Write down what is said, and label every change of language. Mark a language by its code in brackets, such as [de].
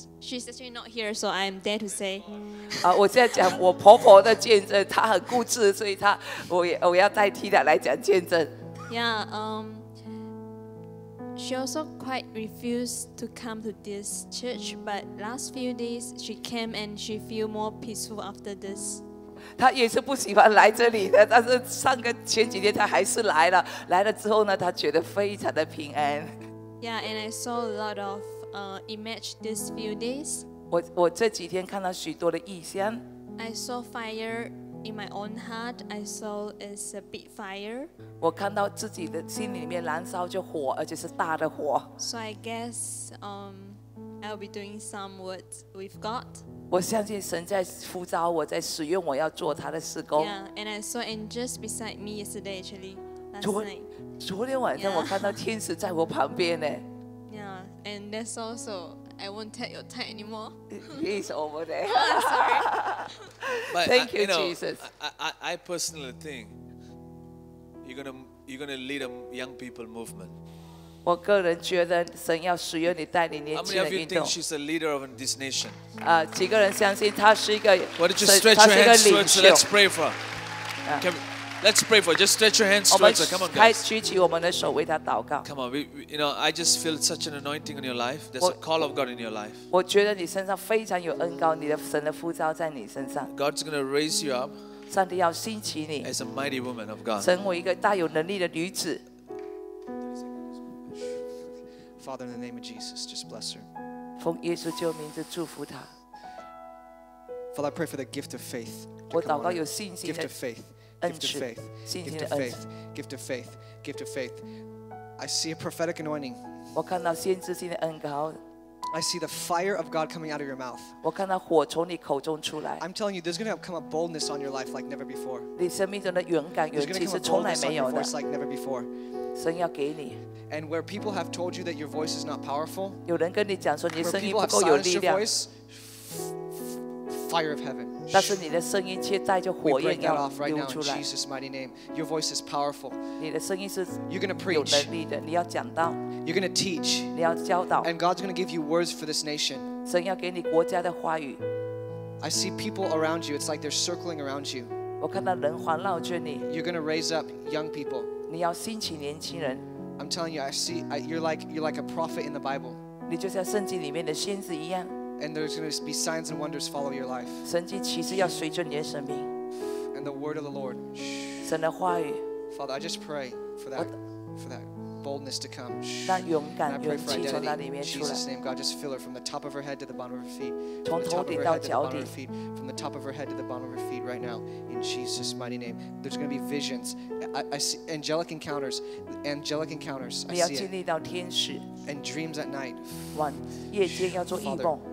[en] She's actually not here, so I'm there to say. [zh] 我现在讲我婆婆的见证。她很固执，所以她我要代替她来讲见证。 [en] Yeah. She also quite refused to come to this church, but last few days she came and she feel more peaceful after this. [zh] 他也是不喜欢来这里的，但是上个前几天他还是来了。来了之后呢，他觉得非常的平安。 [en] Yeah, and I saw a lot of image these few days. [zh] 我这几天看到许多的异象。 [en] I saw fire in my own heart. I saw it's a big fire. [zh] 我看到自己的心里面燃烧着火，而且是大的火。 [en] So I guess I'll be doing some work with God. [zh] 我相信神在呼召我，在使用我要做他的事工。 [en] Yeah, and I saw angels beside me yesterday, actually, last night. [zh] 昨天晚上我看到天使在我旁边呢。 [en] Yeah, and that's also, I won't take your time anymore. He's over there. Oh, sorry. But thank you, Jesus. I personally think you're gonna lead a young people movement. [zh] 我个人觉得神要使用你带领年轻人运动。 [en] How many of you think she's a leader of this nation? [zh] 几个人相信她是一个，她是一个领袖。 [en] Why don't you stretch your hands towards her? Let's pray for her. Let's pray for her. Just stretch your hands towards her. Come on, guys. [zh] 举起我们的手为她祷告。 [en] Come on, you know, I just feel such an anointing in your life. There's a call of God in your life. [zh] 我觉得你身上非常有恩膏，你的神的呼召在你身上。 [en] God's gonna raise you up. [zh] 上帝要兴起你。 [en] As a mighty woman of God. [zh] 成为一个大有能力的女子。 [en] Father, in the name of Jesus, just bless her. [zh] 奉耶稣救名字祝福她。 [en] Father, I pray for the gift of faith. [zh] 我祷告有信心的恩赐。 [en] Gift of faith. Gift of faith. Gift of faith. Gift of faith. Gift of faith. I see a prophetic anointing. [zh] 我看到先知性的恩膏。 [en] I see the fire of God coming out of your mouth. [zh] 我看到火从你口中出来。 [en] I'm telling you, there's going to come a boldness on your life like never before. [zh] 你生命中的勇敢、勇气是从来没有的。 [en] It's like never before. [zh] 神要给你。 [en] And where people have told you that your voice is not powerful, [zh] 有人跟你讲说你声音不够有力量。 [en] Fire of heaven. [zh] 但是你的声音却带着火焰要流出来。 [en] In Jesus' mighty name, your voice is powerful. [zh] 你的声音是 [en] You're going to preach. [zh] 有能力的，你要讲道。 [en] You're going to teach. [zh] 你要教导。 [en] And God's going to give you words for this nation. [zh] 神要给你国家的话语。 [en] I see people around you. It's like they're circling around you. [zh] 我看到人环绕着你。 [en] You're going to raise up young people. [zh] 你要兴起年轻人。 [en] I'm telling you, you're like a prophet in the Bible. [zh] 你就像圣经里面的先知一样。 [en] And there's going to be signs and wonders follow your life. [zh] 神迹奇事要随着你的生命。 [en] And the word of the Lord. [zh] 神的话语。 [en] Father, I just pray for that boldness to come. [zh] 让勇敢、勇气从那里面出来。 [en] In Jesus' name, God, just fill her from the top of her head to the bottom of her feet. [zh] 从头顶到脚底。 [en] From the top of her head to the bottom of her feet, right now, in Jesus' mighty name. There's going to be visions. I see angelic encounters. I see it. [zh] 你要经历到天使。 [en] And dreams at night. [zh] 晚夜间要做异梦。